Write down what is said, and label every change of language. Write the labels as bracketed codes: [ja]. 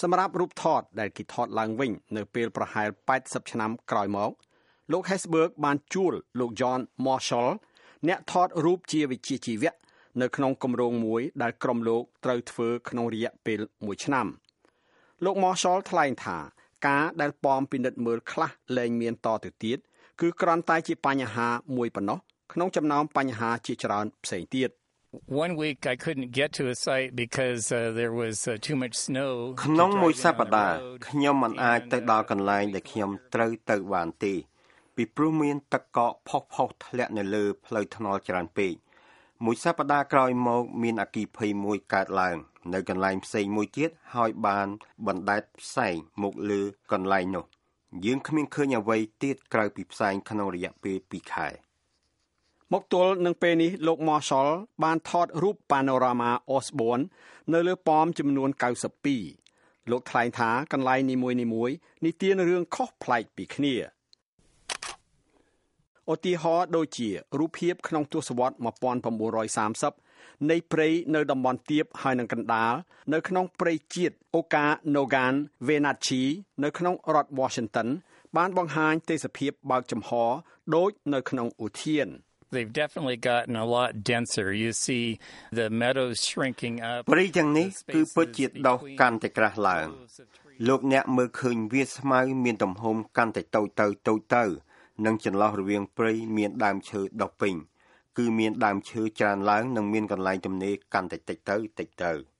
[km] សម្រាប់រូបថតដែលគេថតឡើងវិញនៅពេលប្រហែល80ឆ្នាំក្រោយមកលោក Hesburgh បានជួលលោក John Marshall អ្នកថតរូបជាវិជ្ជាជីវៈនៅក្នុងគម្រោងមួយដែលក្រុមលោកត្រូវធ្វើក្នុងរយៈពេល1ឆ្នាំលោក Marshall ថ្លែងថាការដែលប៉មពិនិត្យមើលខ្លះលែងមានតទៅទៀតគឺគ្រាន់តែជាបញ្ហាមួយប៉ុណ្ណោះក្នុងចំណោមបញ្ហាជាច្រើនផ្សេងទៀត [en] One week I couldn't get to a site because there was too much snow. [km] ក្នុងមួយសប្តាហ៍ខ្ញុំមិនអាចទៅដល់កន្លែងដែលខ្ញុំត្រូវទៅបានទេពីព្រោះមានទឹកកកផុសផុសធ្លាក់នៅលើផ្លូវថ្នល់ច្រើនពេកមួយសប្តាហ៍ក្រោយមកមានអគ្គីភ័យមួយកើតឡើងនៅកន្លែងផ្សេងមួយទៀតហើយបានបណ្ដែតផ្សែងមកលើកន្លែងនោះយើងគ្មានឃើញអ្វីទៀតក្រៅពីផ្សែងក្នុងរយៈពេល2ខែ មកទល់នឹងពេលនេះលោក Marshall បានថតរូបប៉ាណូរ៉ាម៉ា Osborne នៅលើប៉មចំនួន92លោកថ្លែងថាកន្លែងនីមួយនីមួយនិទានរឿងខុសប្លែកពីគ្នាឧទាហរណ៍ដូចជារូបភាពក្នុងទសវត្ស1930នៃព្រៃនៅតំបន់ទាបហើយនឹងកណ្ដាលនៅក្នុងព្រៃជាតិ Okanogan Wenatchee នៅក្នុងរដ្ឋ Washington បានបង្ហាញទេសភាពបើកចំហដូចនៅក្នុងឧទាន [en] They've definitely gotten a lot denser. You see the meadows shrinking up. [km] ព្រៃទាំងនេះគឺពិតជាដុះកាន់តែក្រាស់ឡើងលោកអ្នកមើលឃើញវាស្មៅមានទំហំកាន់តែតូចទៅតូចទៅនិងចន្លោះរវាងព្រៃមានដើមឈើដុះពេញគឺមានដើមឈើច្រើនឡើងនិងមានកន្លែងទំនេរកាន់តែតិចទៅតិចទៅ